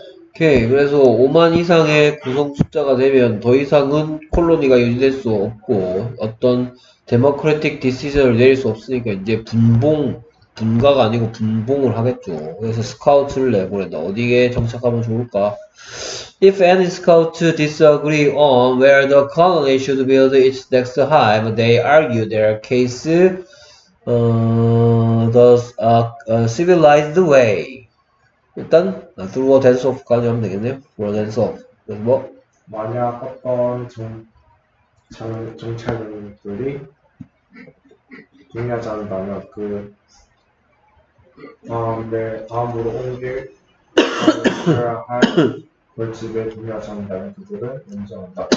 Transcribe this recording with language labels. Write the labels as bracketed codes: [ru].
[ko] 오케이 그래서 5만 이상의 구성 숫자가 되면 더 이상은 콜로니가 유지될 수 없고 어떤 데모크래틱 디시전을 내릴 수 없으니까 이제 분봉 분가가 아니고 분봉을 하겠죠. 그래서 스카우트를 내보낸다. 어디에 정착하면 좋을까? [en] If any scout disagree on where the colony should build its next hive, they argue their case the civilized way. [ko] 일단 [en] through a dance off [ko] 까지 하면 되겠네요. [en] Through a dance off. [ko] 그래서 뭐? 만약 어떤 정찰들이 동의하지 않는다면 그 다음으로 옮길 할 벌집에 동의하지 않는다면 그들을 인정한다.